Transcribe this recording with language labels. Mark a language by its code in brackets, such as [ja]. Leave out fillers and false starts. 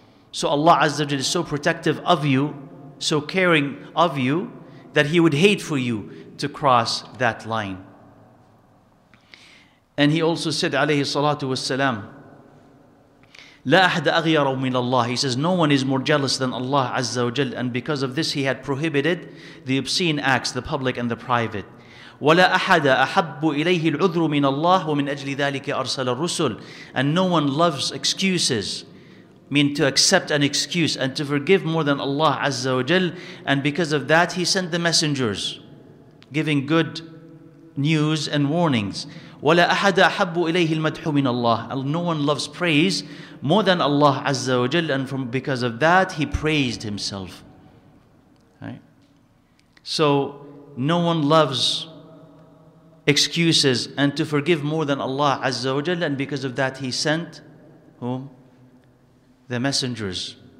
[en] So Allah Azza wa Jal is so protective of you, so caring of you, that He would hate for you to cross that line. And he also said, alayhi salatu wasalam, [ar] لا أحد أغير من الله. [en] He says, no one is more jealous than Allah Azza wa Jal. And because of this, he had prohibited the obscene acts, the public and the private. [ar] ولا أحد أحب إليه العذر من الله ومن أجل ذلك أرسل الرسل. [en] And no one loves excuses, mean to accept an excuse and to forgive more than Allah Azza wa Jal. And because of that, he sent the messengers, giving good news and warnings. [ar] ولا أحد أحب إليه المدح من الله. [en] No one loves praise more than Allah Azza wa Jal, and because of that, he praised himself. Right? So, no one loves excuses and to forgive more than Allah Azza wa Jal, and because of that, he sent whom? The messengers.